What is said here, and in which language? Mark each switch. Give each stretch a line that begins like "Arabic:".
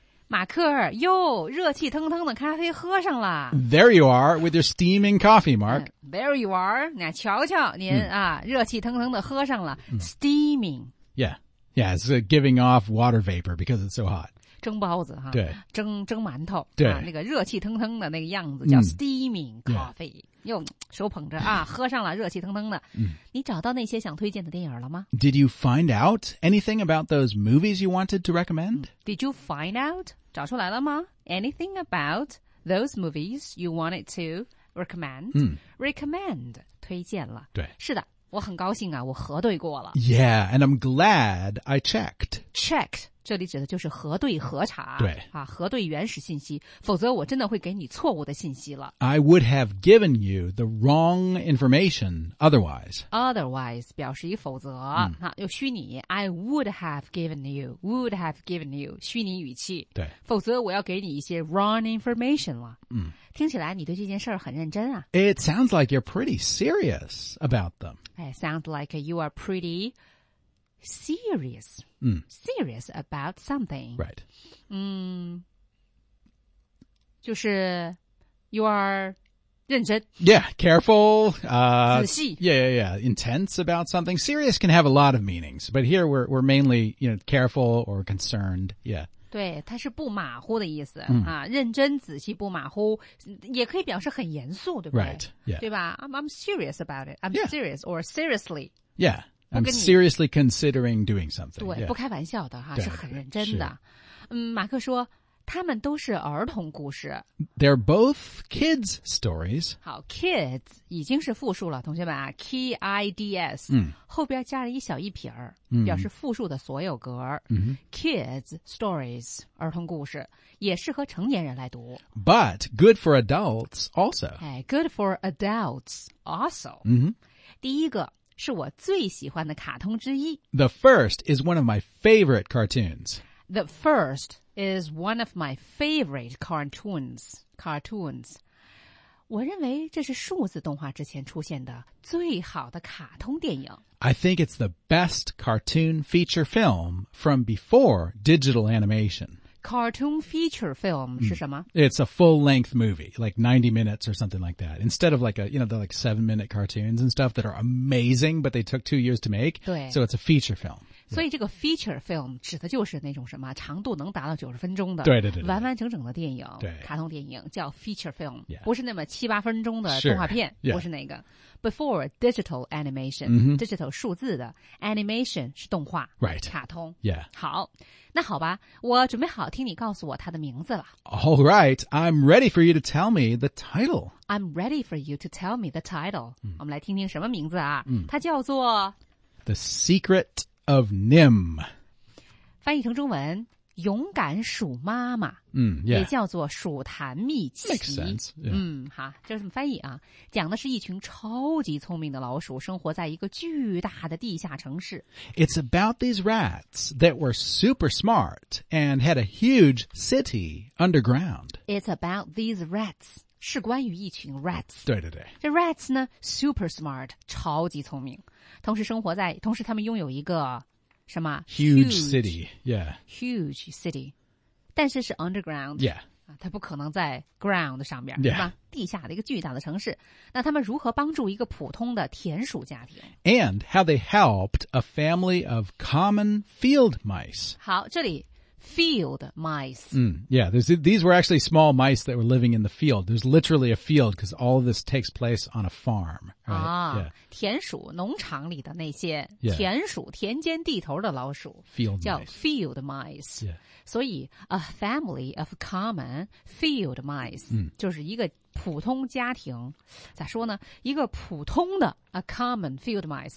Chinese: 马克，哟，热气腾腾的咖啡喝上了。
English: There you are with your steaming coffee, Mark. There you are.
Chinese: 那瞧瞧您啊，热气腾腾的喝上了。
English: Steaming. Yeah. Yeah, it's giving off water vapor because it's so hot.
Chinese: 蒸包子哈。对。蒸馒头。对。那个热气腾腾的那个样子叫
English: steaming coffee.
Chinese: 哟，手捧着啊，喝上了热气腾腾的。你找到那些想推荐的电影了吗？
English: Did you find out anything about those movies you wanted to recommend? Did you find out?
Chinese: 找出来了吗？
English: Anything about those movies you wanted to recommend? Recommend,
Chinese: 推荐了。对。是的。我很高兴啊，我核对过了。
English: Yeah, and I'm glad I checked. Checked,
Chinese: 这里指的就是核对核查。对。啊，核对原始信息，否则我真的会给你错误的信息了。
English: I would have given you the wrong information otherwise. Otherwise,
Chinese: 表示一否则。啊，又虚拟。
English: I would have given you, would have given you,
Chinese: 虚拟语气。对。否则我要给你一些
English: wrong information
Chinese: 了。听起来你对这件事很认真啊。
English: It sounds like you're pretty serious about them. It sounds like you are pretty serious. Serious about something. Right.
Chinese: 就是
English: you are
Chinese: 认真。
English: Yeah, careful.
Chinese: 仔细。
English: Yeah. Intense about something. Serious can have a lot of meanings. But here we're mainly, you know, careful or concerned. Yeah.
Chinese: 对，它是不马虎的意思啊，认真仔细不马虎，也可以表示很严肃，对不对？
English: Right, yeah.
Chinese: 对吧
English: ？I'm serious about it. I'm serious or seriously. Yeah, I'm seriously considering doing something.
Chinese: 对，
English: yeah.
Chinese: 不开玩笑的哈，是很认真的。马克说，他们都是儿童故事。
English: They're both kids stories.
Chinese: 好 ，kids 已经是复数了，同学们啊 ，kids 后边加了一小一撇儿，表示复数的所有格。 Kids stories 儿童故事也适合成年人来读。
English: But good for adults also. Hey, good for adults also.
Chinese: 第一个是我最喜欢的卡通之一。
English: The first is one of my favorite cartoons. The first. Is one of my favorite cartoons. Cartoons.
Chinese: 我认为这是数字动画之前出现的最好的卡通电影。
English: I think it's the best cartoon feature film from before digital animation. Cartoon feature film
Chinese: 是什么？
English: It's a full-length movie, like 90 minutes or something like that. Instead of like a, you know, the like 7-minute cartoons and stuff that are amazing, but they took 2 years to make. 对。 So it's a feature film.
Chinese: 所以这个
English: feature film
Chinese: 指的就是那种什么长度能达到90分钟的对完完整整的电影对卡通电影叫
English: feature film、 yeah.
Chinese: 不是那么七八分钟的动画片、
English: yeah.
Chinese: 不是那个
English: before digital animation、
Chinese: digital 数字的 animation 是动画、
English: right.
Chinese: 卡通、
English: yeah.
Chinese: 好那好吧我准备好听你告诉我它的名字了
English: All right, I'm ready for you to tell me the title I'm ready for you to tell me the title、
Chinese: 我们来听听什么名字啊、它叫做
English: The Secret of Nim.
Chinese: 翻译成中文勇敢鼠妈妈、
English: yeah.
Chinese: 也叫做鼠谭秘籍。
English: Makes sense.、Yeah.
Chinese: 好这是什么翻译啊讲的是一群超级聪明的老鼠生活在一个巨大的地下城市。
English: It's about these rats that were super smart and had a huge city underground. It's about these rats.
Chinese: 是关于一群
English: rats
Chinese: 对对对这 rats 呢
English: super smart
Chinese: 超级聪明同时生活在同时他们拥有一个什么
English: huge city yeah huge city
Chinese: 但是是
English: underground yeah
Chinese: 它不可能在 ground 上面、
English: yeah.
Chinese: 是吧地下的一个巨大的城市那他们如何帮助一个普通的田鼠家庭
English: and how they helped a family of common field mice 好这里Field mice. Yeah, these were actually small mice that were living in the field. There's literally a field because all of this takes place on a farm, Right? 啊、 yeah.
Chinese: 田鼠农场里的那些田鼠、
English: yeah.
Chinese: 田间地头的老鼠
English: field
Chinese: 叫 field mice、
English: yeah.
Chinese: 所以
English: a family of common field mice、嗯、
Chinese: 就是一个普通家庭咋说呢一个普通的
English: a common field mice、